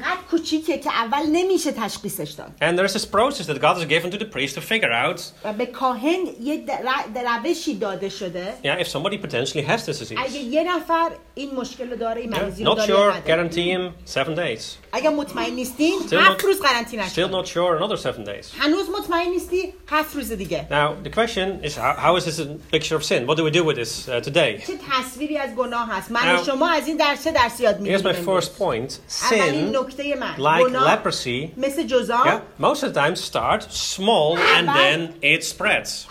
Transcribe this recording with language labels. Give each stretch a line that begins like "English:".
Persian: کوچیکه که اول نمیشه تشخیصش داد.
English: And there is this process that God has given to the priest to figure out.
Persian: و به کاهن یه روشی داده شده.
English: Yeah, if somebody potentially has this disease.
Persian: اگه یه نفر این مشکل داره، این مریضی
English: not
Persian: داره.
English: Not sure, guarantee him 7 days.
Persian: اگه مطمئن نیستی، 7 روز قرنطینه شد.
English: Still not sure, another 7 days.
Persian: هنوز مطمئن نیستی، 7 روز دیگه.
English: Now, the question is, how is this a picture of sin? What do we do with this today?
Persian: چه تصویری از گناه هست؟ من و شما از این درس چه درسی یاد میگیریم؟
English: Here's my first point. Sin, like leprosy, yeah, most of the time start small and then it spreads.